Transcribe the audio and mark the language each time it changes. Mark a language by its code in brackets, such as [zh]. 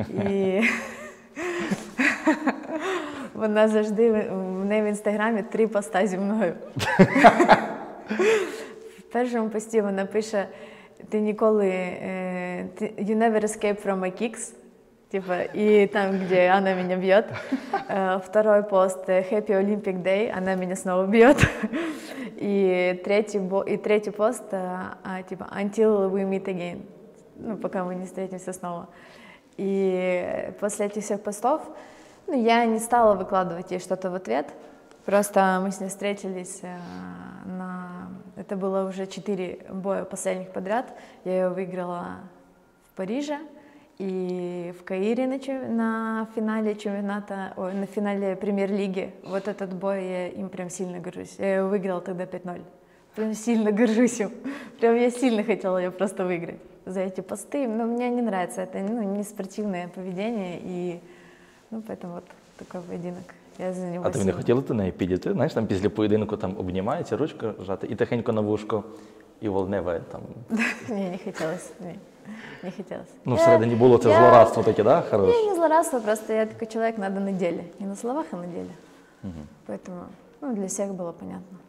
[uk] І вона завжди, в неї в інстаграмі три поста зі мною. В першому пості вона пише, ти ніколи, [en] you never escape from my kicks. [ru] Типа, и там, где она меня бьет. Второй пост – [en] Happy Olympic Day, [ru] она меня снова бьет. И третий пост – типа, [en] Until we meet again, [ru] ну, пока мы не встретимся снова. И после этих всех постов, ну, я не стала выкладывать ей что-то в ответ. Просто мы с ней встретились на… Это было уже 4 боя последних подряд. Я ее выиграла в Париже. И в Каире на финале чемпионата, на финале премьер-лиги, вот этот бой я им прям сильно горжусь. Я его выиграла тогда 5-0. Прям сильно горжусь им. Прям я сильно хотела ее просто выиграть за эти посты. Но мне не нравится это, ну, не спортивное поведение. И, ну, поэтому вот такой поединок. Я за него. [uk] А ты не хотела до неї підійти? Знаешь, там після поединку там обнімається, ручку жати и тихенько на вушко, и волневе там. Ні, не хотілося, ні. [ru] Не хотелось. [uk] Ну, всередині було це злорадство таке, да? [ru] Хорош? [uk] Ні, не злорадство, просто я такий чоловік, треба на ділі. Не на словах, а на ділі. Угу. Поэтому, ну, для всіх було понятно.